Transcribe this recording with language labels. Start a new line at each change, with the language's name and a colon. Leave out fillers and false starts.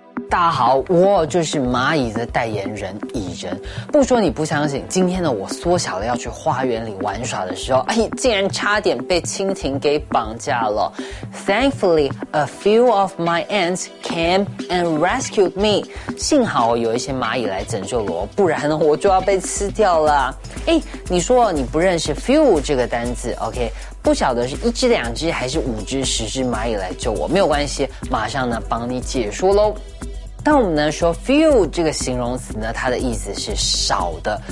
Chinese: 大家好，我就是蚂蚁的代言人蚁人。不说你不相信，今天呢，我缩小了要去花园里玩耍的时候，哎，竟然差点被蜻蜓给绑架了。
English: Thankfully, a few of my ants came and rescued me.
Chinese: 幸好有一些蚂蚁来拯救了我，不然呢，我就要被吃掉了。哎，你说你不认识 few 这个单字 ，OK？不晓得是一只两只还是五只十只蚂蚁来救我，没有关系，马上呢帮你解说咯。当我们呢说 few 这个形容词呢，它的意思是少的。